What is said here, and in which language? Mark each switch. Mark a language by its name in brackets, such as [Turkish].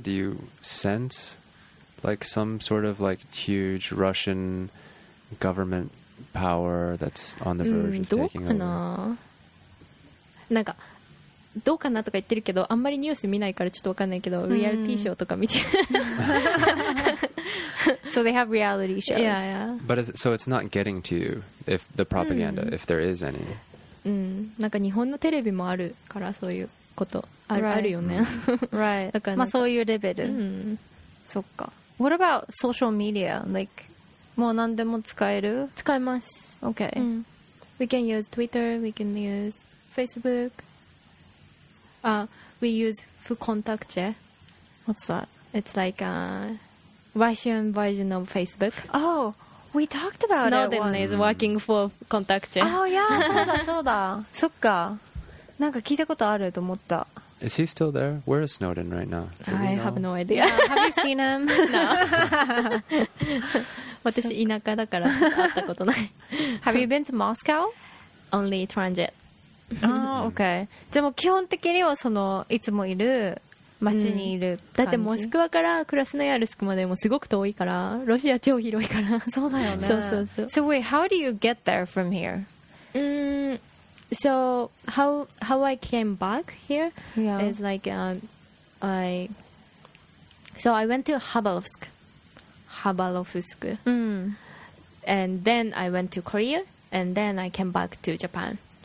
[English] Do you sense like some sort of like huge Russian government power that's on the verge of taking over? [Japanese] どうかな。なんかどうかなとか言ってるけど、あんまりニュース見ないからちょっとわかんないけど、リアリティショーとか見て。 [English] So they have reality shows. Yeah, yeah. But is it, so it's not getting to you if the propaganda, if there is any. [Japanese] なんか日本のテレビもあるからそういうこと。 [English] Right. [Japanese] あるよね。 [English] Right. [Japanese] まあそういうレベル。そっか。 [English] What about social media? Like, [Japanese] もう何でも使える？使えます。 [English] Okay. We can use Twitter. We can use Facebook. We use Vkontakte. What's that? It's like a Russian version of Facebook. Oh, we talked about Snowden it once. Snowden is working for Vkontakte. Oh yeah, [Japanese] そうだそうだ。そっか。なんか聞いたことあると思った。 [English] Is he still there? Where is Snowden right now? I have no idea. Have you seen him? No. [Japanese] 私田舎だから会ったことない。 [English] Have you been to Moscow? Only transit. Oh, okay. [Japanese] じゃあもう基本的にはそのいつもいる街にいる感じ。だってモスクワからクラスノヤルスクまでもすごく遠いから、ロシア超広いから。そうだよね。そうそうそう。 [English] So wait, how do you get there from here? So how I came back here is like I went to Khabarovsk. Khabarovsk. And then I went to Korea and then I came back to Japan.